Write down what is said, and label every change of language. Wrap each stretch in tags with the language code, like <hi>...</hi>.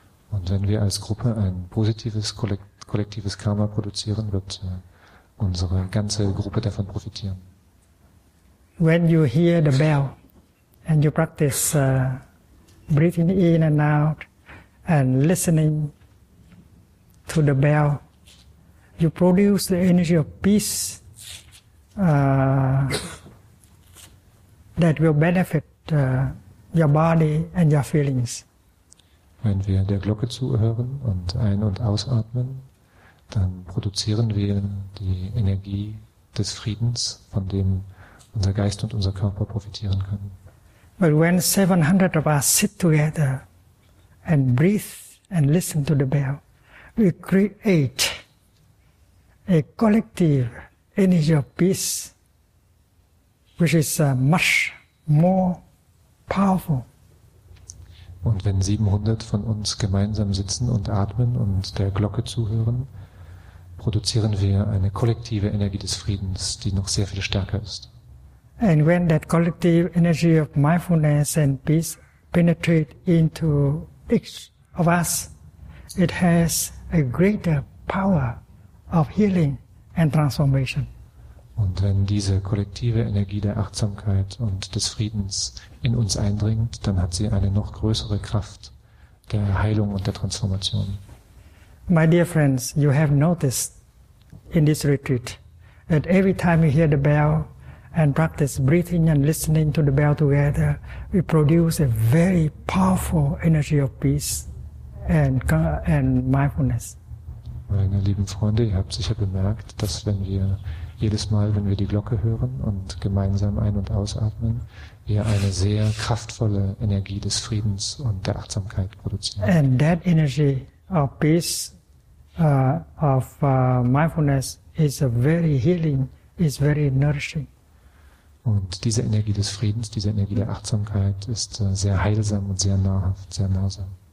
<de>Und wenn wir als Gruppe ein positives kollektives Karma produzieren, wird unsere ganze Gruppe davon profitieren.</de> <en>When you hear the bell and you practice breathing in and out and listening to the bell, you produce the energy of peace that will benefit your body and your feelings.</en> <de>Wenn wir der Glocke zuhören und ein- und ausatmen, dann produzieren wir die Energie des Friedens, von dem unser Geist und unser Körper profitieren können.</de> <en>But when 700 of us sit together and breathe and listen to the bell, we create a collective energy of peace, which is much more powerful.</en> <de>Und wenn 700 von uns gemeinsam sitzen und atmen und der Glocke zuhören, produzieren wir eine kollektive Energie des Friedens, die noch sehr viel stärker ist.</de> <en>And when that collective energy of mindfulness and peace penetrate into each of us, it has a greater power of healing and transformation.</en> <de>Und wenn diese kollektive Energie der Achtsamkeit und des Friedens in uns eindringt, dann hat sie eine noch größere Kraft der Heilung und der Transformation.</de> <en>My dear friends, you have noticed in this retreat that every time you hear the bell and practice breathing and listening to the bell together, we produce a very powerful energy of peace and mindfulness.</en> <de>Meine lieben Freunde, ihr habt sicher bemerkt, dass wenn wir jedes Mal, wenn wir die Glocke hören und gemeinsam ein- und ausatmen, wir eine sehr kraftvolle Energie des Friedens und der Achtsamkeit produzieren.</de> <en>And that energy of peace, of mindfulness is a very healing, is very nourishing.</en> <de>Und diese Energie des Friedens, diese Energie der Achtsamkeit ist sehr heilsam und sehr nahrhaft, sehr nahsam.</de>